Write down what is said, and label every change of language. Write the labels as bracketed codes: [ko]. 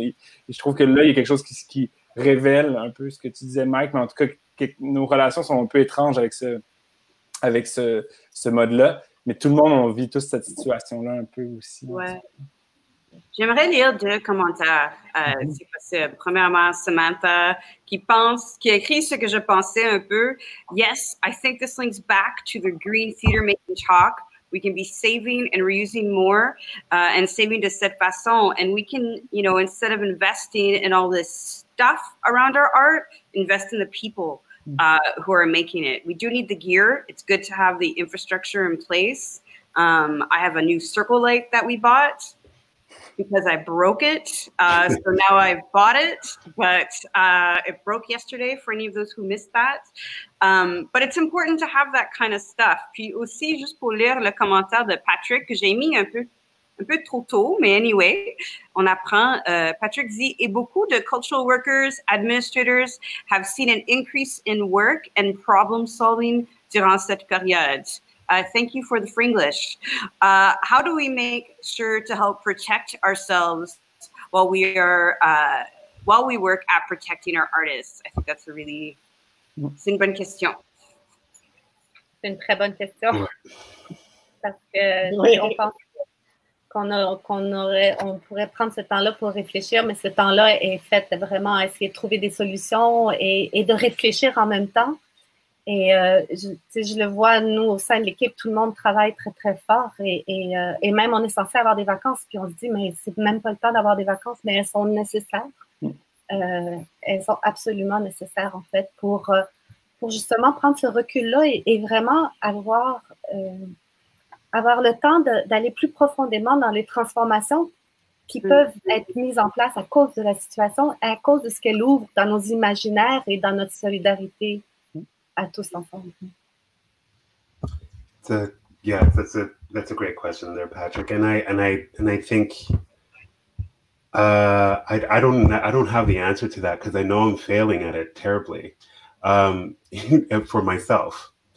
[fr] Et je trouve que là, il y a quelque chose qui révèle un peu ce que tu disais, Mike, mais en tout cas, nos relations sont un peu étranges avec ce mode-là. Mais tout le monde, on vit tous cette situation-là un peu aussi. Ouais. J'aimerais lire deux commentaires, si possible. Premièrement, Samantha, qui écrit ce que je pensais un peu. [en] Yes, I think this links back to the green theater making talk. We can be saving and reusing more and saving [fr] de cette façon. [en] And we can, you know, instead of investing in all this stuff around our art, invest in the people who are making it. We do need the gear. It's good to have the infrastructure in place. I have a new circle light that we bought because I broke it. So now I've bought it, but it broke yesterday for any of those who missed that. But it's important to have that kind of stuff. [fr] Puis aussi, juste pour lire le commentaire de Patrick, que j'ai mis un peu trop tôt, mais anyway, on apprend. Patrick dit, et beaucoup de [en] cultural workers, administrators, have seen an increase in work and problem solving [fr] durant cette période. [en] Thank you for the Fringlish. How do we make sure to help protect ourselves while we are while we work at protecting our artists? I think that's a really [fr] c'est une bonne question. C'est une très bonne question parce que oui. On pense qu'on pourrait prendre ce temps-là pour réfléchir, mais ce temps-là est fait vraiment à essayer de trouver des solutions et de réfléchir en même temps. Et je le vois, nous, au sein de l'équipe, tout le monde travaille très, très fort. Et même, on est censé avoir des vacances. Puis on se dit, mais c'est même pas le temps d'avoir des vacances, mais elles sont nécessaires. Elles sont absolument nécessaires, en fait, pour justement prendre ce recul-là et vraiment avoir le temps d'aller plus profondément dans les transformations qui peuvent être mises en place à cause de la situation, à cause de ce qu'elle ouvre dans nos imaginaires et dans notre solidarité. [en] So yeah, that's a great question there, Patrick. And I think I don't have the answer to that because I know I'm failing at it terribly for myself.